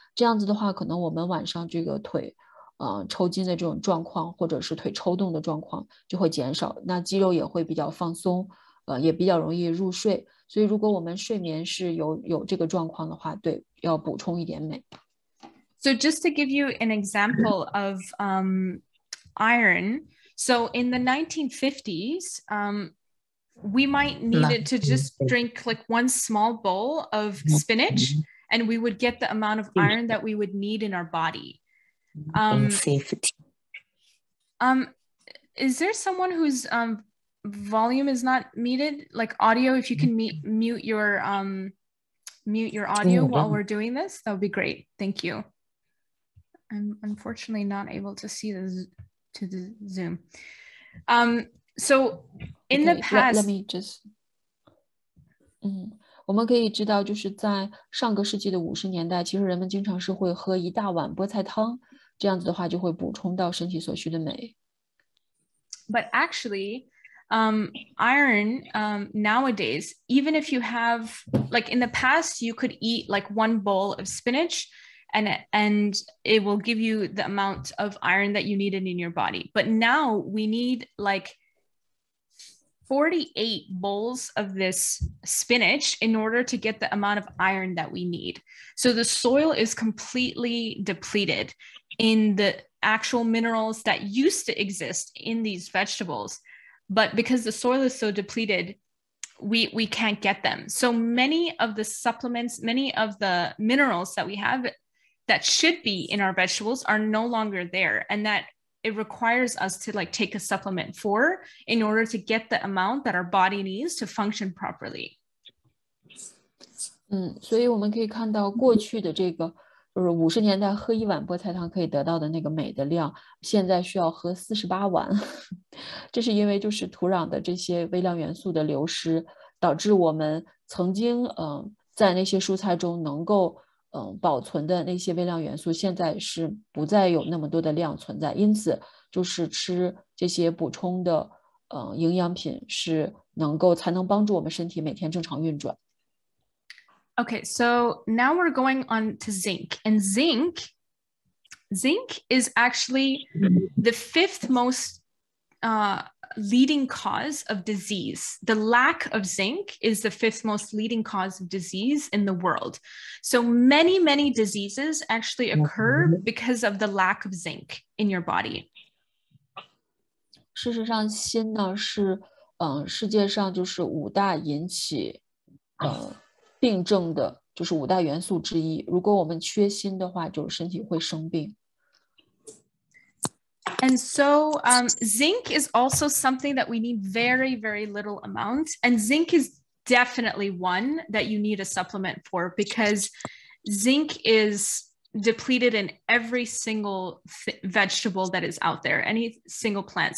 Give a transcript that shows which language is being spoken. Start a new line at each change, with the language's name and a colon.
Chinese: 这样子的话，可能我们晚上这个腿，抽筋的这种状况，或者是腿抽动的状况就会减少。那肌肉也会比较放松，也比较容易入睡。所以，如果我们睡眠是有这个状况的话，对，要补充一点镁。
English: So just to give you an example of iron, so in the 1950s, we might needed to just drink like one small bowl of spinach and we would get the amount of iron that we would need in our body. Is there someone whose volume is not muted? Like audio, if you can mute your audio while we're doing this, that would be great. Thank you. I'm unfortunately not able to see the Zoom. So in the past, let me just.
Chinese: 我们可以知道，就是在上个世纪的五十年代，其实人们经常是会喝一大碗菠菜汤，这样子的话就会补充到身体所需的镁。
English: But actually, iron nowadays, even if you have like in the past, you could eat like one bowl of spinach. And it will give you the amount of iron that you needed in your body. But now we need like 48 bowls of this spinach in order to get the amount of iron that we need. So the soil is completely depleted in the actual minerals that used to exist in these vegetables. But because the soil is so depleted, we can't get them. So many of the supplements, many of the minerals that we have that should be in our vegetables are no longer there, and that it requires us to like take a supplement for in order to get the amount that our body needs to function properly.
Chinese: 所以我们可以看到过去的这个就是五十年代喝一碗菠菜汤可以得到的那个镁的量，现在需要喝48碗。这是因为就是土壤的这些微量元素的流失，导致我们曾经在那些蔬菜中能够保存的那些微量元素现在是不再有那么多的量存在，因此就是吃这些补充的营养品是能够才能帮助我们身体每天正常运转。
English: Okay, so now we're going on to zinc. And zinc is actually the fifth most leading cause of disease. The lack of zinc is the fifth most leading cause of disease in the world. So many, many diseases actually occur because of the lack of zinc in your body.
Chinese: 事实上，锌呢是世界上就是五大引起病症的，就是五大元素之一。如果我们缺锌的话，就是身体会生病。
English: And so zinc is also something that we need very, very little amount. And zinc is definitely one that you need a supplement for because zinc is depleted in every single vegetable that is out there, any single plant.